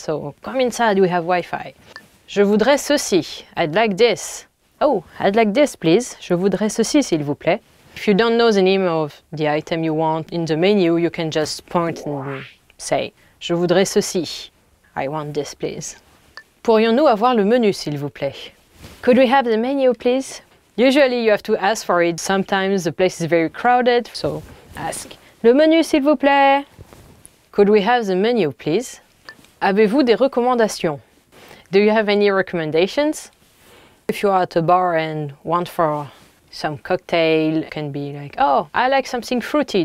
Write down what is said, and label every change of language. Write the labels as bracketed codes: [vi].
[en] So come inside, we have Wi-Fi. [fr] Je voudrais ceci. [en] I'd like this. Oh, I'd like this, please. [fr] Je voudrais ceci, s'il vous plaît. [en] If you don't know the name of the item you want in the menu, you can just point and say, [fr] je voudrais ceci. [en] I want this, please. [fr] Pourrions-nous avoir le menu, s'il vous plaît? [en] Could we have the menu, please? Usually you have to ask for it. Sometimes the place is very crowded, so ask. [fr] Le menu, s'il vous plaît. [en] Could we have the menu, please? [fr] Avez-vous des recommandations? [en] Do you have any recommendations? If you are at a bar and want for some cocktail, it can be like, oh, I like something fruity.